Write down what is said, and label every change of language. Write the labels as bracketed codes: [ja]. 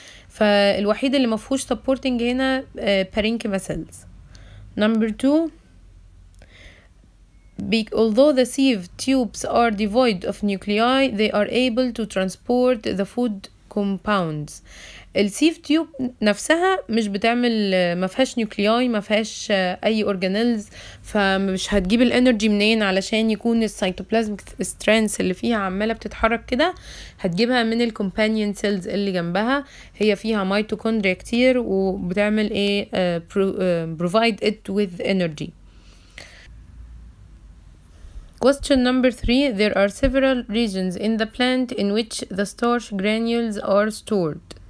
[ar] فالوحيد اللي مفهوش سبورتنج هنا بارينكيما سيلز. [en] Number 2، although the sieve tubes are devoid of nuclei they are able to transport the food compounds. [ar] السيف تيوب نفسها مش بتعمل، ما فيهاش نيوكلياي، ما فيهاش اي اورجانيلز، فمش هتجيب الانرجي منين علشان يكون السيتوبلازمك سترانس اللي فيها عماله بتتحرك كده؟ هتجيبها من الكومبانيون سيلز اللي جنبها، هي فيها ميتوكوندريا كتير وبتعمل ايه، [en] Provide it with energy. Question number three, there are several regions in the plant in which the starch granules are stored.